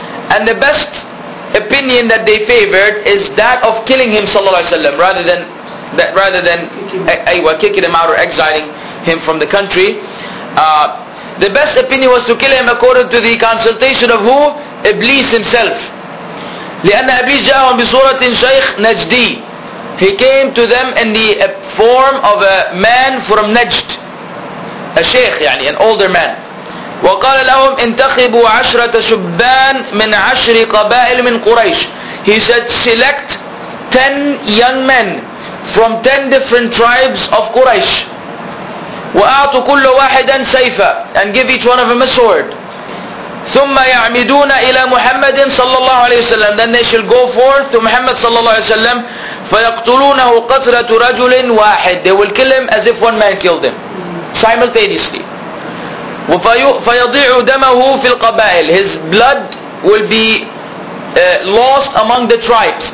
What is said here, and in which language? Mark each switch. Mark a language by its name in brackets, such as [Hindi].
[English] And the best opinion that they favored is that of killing him صلى الله عليه وسلم rather than kicking him out or exiling him from the country. The best opinion was to kill him according to the consultation of who? Iblis himself. [Arabic] لأن إبليس جاءهم بصورة شيخ نجدي. [English] He came to them in the form of a man from Najd. A sheikh, يعني an older man. [Arabic] وقال لهم انتخبوا عشرة شبان من عشر قبائل من قريش. [English] He said select 10 young men from 10 different tribes of Quraysh. [Arabic] وأعطوا كل واحدا سيفا. [English] And give each one of them a sword. [Arabic] ثم يعمدون إلى محمد صلى الله عليه وسلم. [English] Then they shall go forth to Muhammad صلى الله عليه وسلم. [Arabic] فيقتلونه قتلة رجل واحد. [English] They will kill him as if one man killed him. [Arabic] Simultaneously. فيضيع دمه في القبائل. [English] His blood will be lost among the tribes.